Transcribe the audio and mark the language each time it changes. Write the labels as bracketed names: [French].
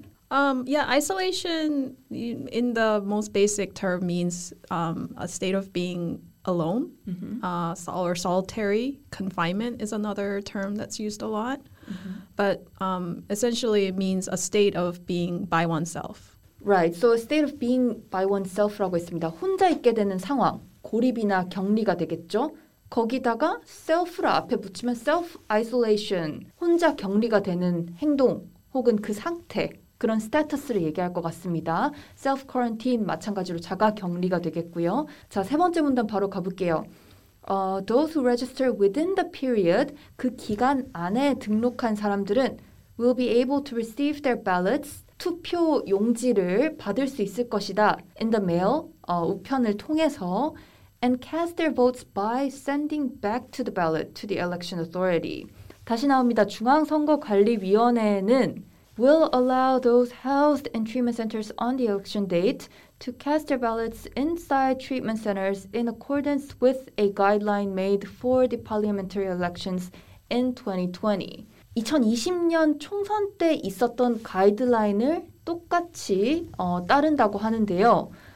[English] Isolation in the most basic term means a state of being alone, or solitary. Confinement is another term that's used a lot. Mm-hmm. But essentially it means a state of being by oneself. Right. So a state of being by oneself라고 [Korean] 했습니다. 혼자 있게 되는 상황, 고립이나 격리가 되겠죠. 거기다가 self를 앞에 붙이면 self-isolation, 혼자 격리가 되는 행동 혹은 그 상태, 그런 status를 얘기할 것 같습니다. Self-quarantine, 마찬가지로 자가 격리가 되겠고요. 자, 세 번째 문단 바로 가볼게요. [English] Those who register within the period, [Korean] 그 기간 안에 등록한 사람들은 [English] will be able to receive their ballots, [Korean] 투표 용지를 받을 수 있을 것이다. [English] In the mail, [Korean] 우편을 통해서 [English] and cast their votes by sending back to the ballot to the election authority. [Korean] 다시 나옵니다. [English] 중앙선거관리위원회는 will allow those housed in treatment centers on the election date to cast their ballots inside treatment centers in accordance with a guideline made for the parliamentary elections in 2020. [Korean] 2020년 총선 때 있었던 가이드라인을 똑같이 따른다고 하는데요.